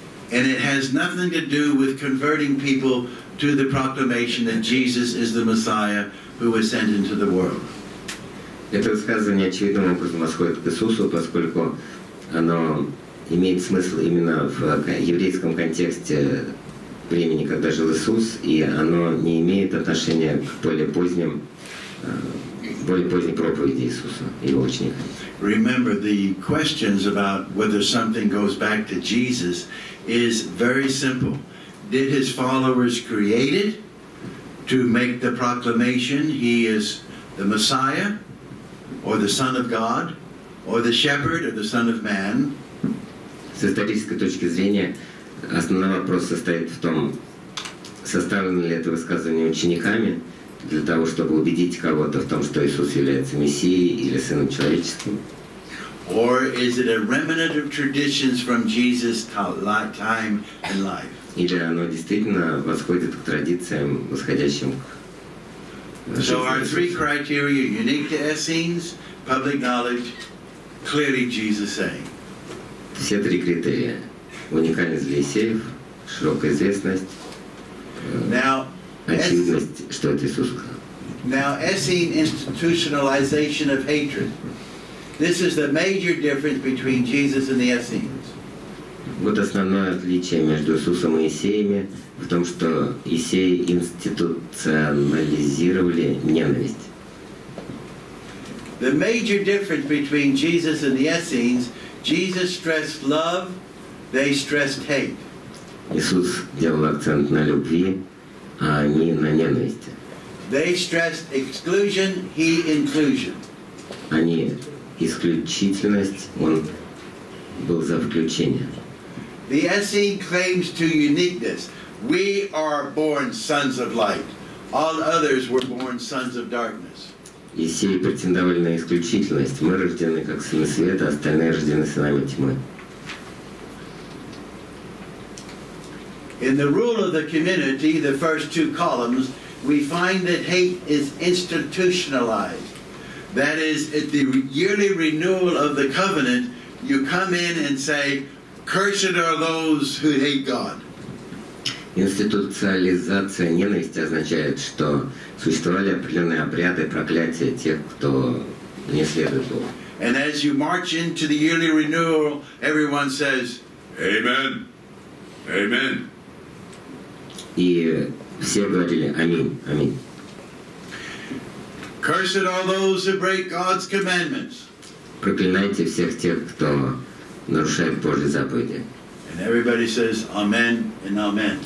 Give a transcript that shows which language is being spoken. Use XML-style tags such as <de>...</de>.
<en>And it has nothing to do with converting people to the proclamation that Jesus is the Messiah who was sent into the world.</en> <ru>Это высказывание очевидным образом восходит к Иисусу, поскольку оно имеет смысл именно в еврейском контексте времени, когда жил Иисус, и оно не имеет отношения к более поздней проповеди Иисуса, его ученика.</ru> <en>Remember, the questions about whether something goes back to Jesus is very simple. Did his followers create it to make the proclamation he is the Messiah? Or the Son of God, or the Shepherd, or the Son of Man.</en> <ru>С исторической точки зрения, основной вопрос состоит в том, составлено ли это высказывание учениками для того, чтобы убедить кого-то в том, что Иисус является Мессией или Сыном Человеческим.</ru> <en>Or is it a remnant of traditions from Jesus' time and life?</en> <ru>Или оно действительно восходит к традициям, восходящим к.</ru> <en>So our three criteria, unique to Essenes, public knowledge, clearly Jesus saying.</en> <ru>Все три критерия. Уникальность для эссеев, широкая известность, очевидность, что это Иисус сказал.</ru> <en>Now, Essene institutionalization of hatred. This is the major difference between Jesus and the Essenes.</en> <ru>Вот основное отличие между Иисусом и эссеями. В том, что эссеи институционализировали ненависть.</ru> <en>The major difference between Jesus and the Essenes, Jesus stressed love, they stressed hate.</en> <ru>Иисус делал акцент на любви, а они на ненависти.</ru> <en>They stressed exclusion, he inclusion.</en> <ru>Они исключительность, он был за включение.</ru> <en>The Essene claims to uniqueness. We are born sons of light. All others were born sons of darkness.</en> <ru>Ессеи претендовали на исключительность. Мы рождены как сыны света, остальные рождены сынами тьмы.</ru> <en>In the rule of the community, the first two columns, we find that hate is institutionalized. That is, at the yearly renewal of the covenant, you come in and say, cursed are those who hate God.</en> <ru>Институциализация ненависти означает, что существовали определенные обряды проклятия тех, кто не следует Богу.</ru> <en>And as you march into the yearly renewal, everyone says, Amen. Amen.</en> <ru>И все говорили Аминь, Аминь.</ru> <en>Cursed are those who break God's commandments.</en> <ru>Проклинайте всех тех, кто нарушает Божьи заповеди.</ru> <en>And everybody says Amen and Amen.</en>